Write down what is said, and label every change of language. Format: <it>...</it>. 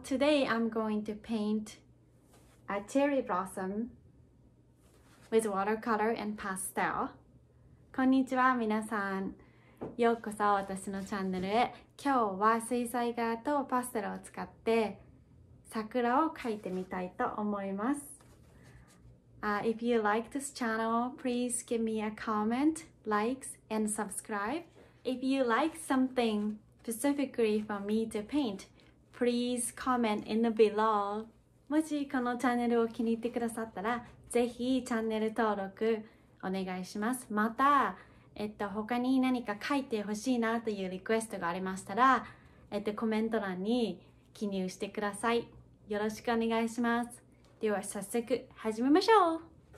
<en>Today I'm going to paint a cherry blossom with watercolor and pastel.</en> <ja>こんにちは、皆さん。ようこそ私のチャンネルへ。今日は水彩画とパステルを使って桜を描いてみたいと思います。</ja> <en>If you like this channel, please give me a comment, likes, and subscribe. If you like something specifically for me to paint, please comment in the below.</en> <ja>もしこのチャンネルを気に入ってくださったら、ぜひチャンネル登録お願いします。また、他に何か書いてほしいなというリクエストがありましたら、コメント欄に記入してください。よろしくお願いします。では早速始めましょう。</ja>